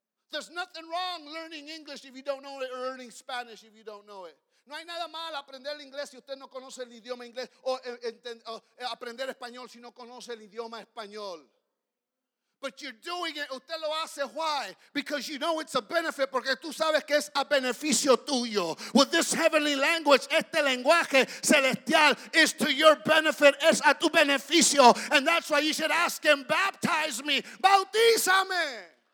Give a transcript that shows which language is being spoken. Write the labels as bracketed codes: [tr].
[en] There's nothing wrong learning English if you don't know it, or learning Spanish if you don't know it. [es] No hay nada mal aprender el inglés si usted no conoce el idioma inglés, o aprender español si no conoce el idioma español. [en] But you're doing it, [es] usted lo hace, [en] why? Because you know it's a benefit, [es] porque tú sabes que es a beneficio tuyo. [en] With this heavenly language, [es] este lenguaje celestial [en] is to your benefit, [es] es a tu beneficio. [en] And that's why you should ask him, baptize me, [es] bautízame.